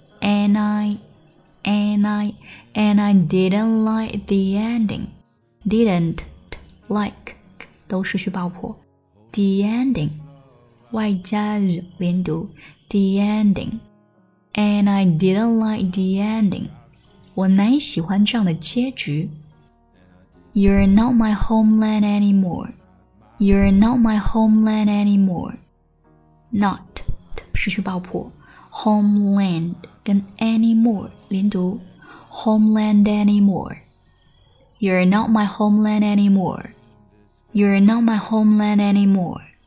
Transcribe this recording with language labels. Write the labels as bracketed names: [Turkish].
[English] And I didn't like the ending. [Chinese] Didn't, like, 都失去爆破。 [English] The ending, [Chinese] 外加日连读。 [English] The ending. And I didn't like the ending. [Chinese] 我难以喜欢这样的结局。 [English] You're not my homeland anymore. You're not my homeland anymore. Not [Chinese] 失去爆破 [English] Homeland 跟 anymore 连读 Homeland anymore. You're not my homeland anymore. You're not my homeland anymore.